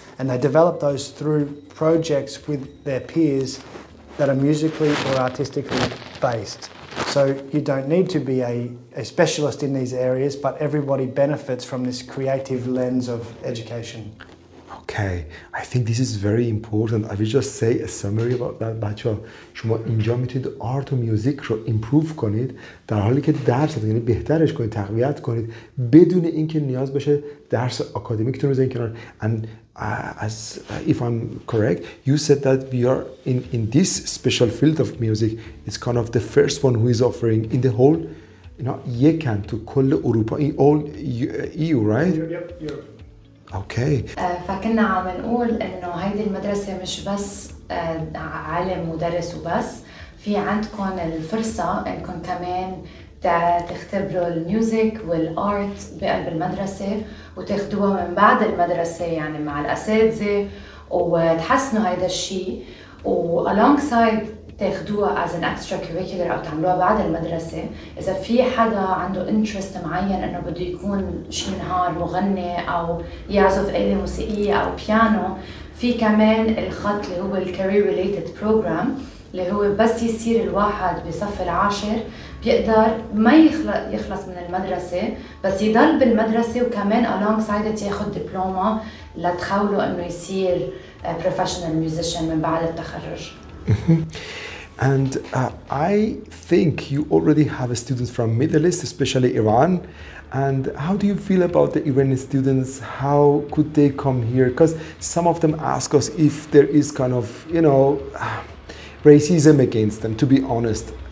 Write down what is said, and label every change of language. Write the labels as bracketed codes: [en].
[en] And they develop those through projects with their peers that are musically or artistically based. So you don't need to be a specialist in these areas, but everybody benefits from this creative lens of education. Okay, I think this is very important. I will just say a summary about that, [fa] بچه ها. شما اینجا میتونید آرت و میوزیک رو ایمپروف کنید در حالی که درس رو یعنی بهترش کنید, تقویت کنید بدون اینکه نیاز باشه درس اکادمیکتون رو بزنید کنار. [en] And as if I'm correct, you said that we are in this special field of music, it's kind of the first one who is offering in the whole, you know, [fa] یکن تو کل اروپا, [en] in all EU, right? Yep. [ar] اوكي فكنا عم نقول انه هيدي المدرسه مش بس عالم ومدرس وبس, في عندكم الفرصه انكم كمان تختبروا الميوزك والارت بقلب المدرسه وتاخذوها من بعد المدرسه يعني مع الاساتذه وتحسنوا هيدا الشيء والونجسايد تاخذوها از ان اكسترا كوريكولر او تعملوها بعد المدرسه. اذا في حدا عنده انترست معين انه بده يكون شي نهار مغني او يعزف اله موسيقيه او بيانو, في كمان الخط اللي هو الكارير ريليتد بروجرام اللي هو بس يصير الواحد بصف العاشر بيقدر ما يخلص من المدرسة بس يضل بالمدرسة وكمان [en] alongside it [ar] ياخذ دبلومة لتخوله انه يصير [en] professional musician [ar] من بعد التخرج. [en] And I think you already have a student from Middle East, especially Iran. And how do you feel about the Iranian students? How could they come here? Because some of them ask us if there is kind of, you know, racism against them, to be honest.